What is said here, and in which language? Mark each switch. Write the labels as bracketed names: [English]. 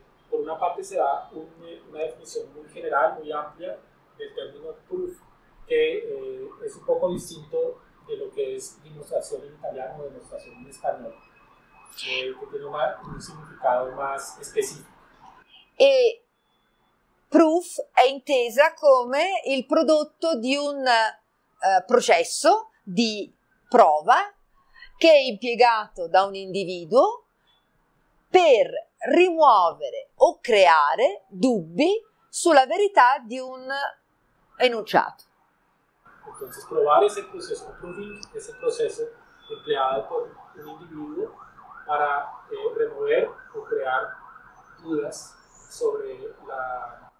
[Spanish] Por una parte se da una definición muy general, muy amplia, del término proof, que es un poco distinto de lo que es demostración en italiano o demostración en español, que tiene un significado más específico. [Italian] Y proof è intesa come il prodotto di un processo di prova che è impiegato da un individuo per rimuovere o creare dubbi sulla verità di un enunciato. [Spanish] Entonces, provare ese proceso, proving ese proceso empleado por un individuo para remover o crear dudas sobre la